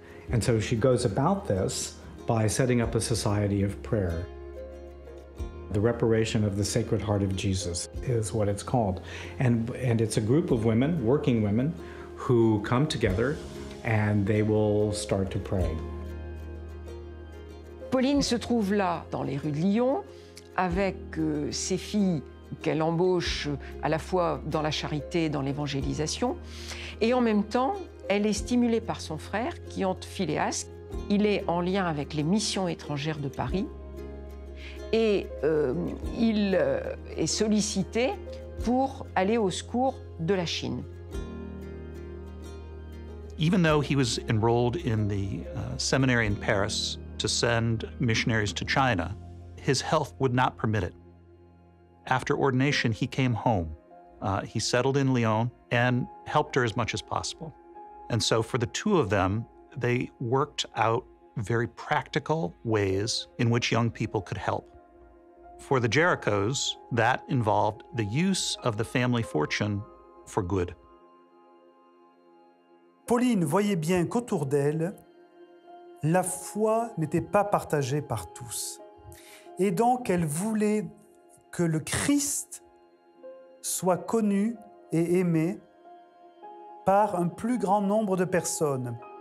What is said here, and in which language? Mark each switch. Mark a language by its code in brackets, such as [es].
[en] And so she goes about this by setting up a society of prayer. The Reparation of the Sacred Heart of Jesus is what it's called. And it's a group of women, working women, who come together and they will start to pray. [fr] Pauline se trouve là, dans les rues de Lyon, avec ses filles qu'elle embauche à la fois dans la charité et dans l'évangélisation. Et en même temps, elle est stimulée par son frère, qui entre Phileas. Il est en lien avec les missions étrangères de Paris. Et il est sollicité pour aller au secours de la Chine. [en] Even though he was enrolled in the seminary in Paris to send missionaries to China, his health would not permit it. After ordination, he came home. He settled in Lyon and helped her as much as possible. And so for the two of them, they worked out very practical ways in which young people could help. For the Jaricots, that involved the use of the family fortune for good. [fr] Pauline voyait bien qu'autour d'elle, la foi n'était pas partagée par tous. Et donc, elle voulait que le Christ soit connu et aimé par un plus grand nombre de personnes.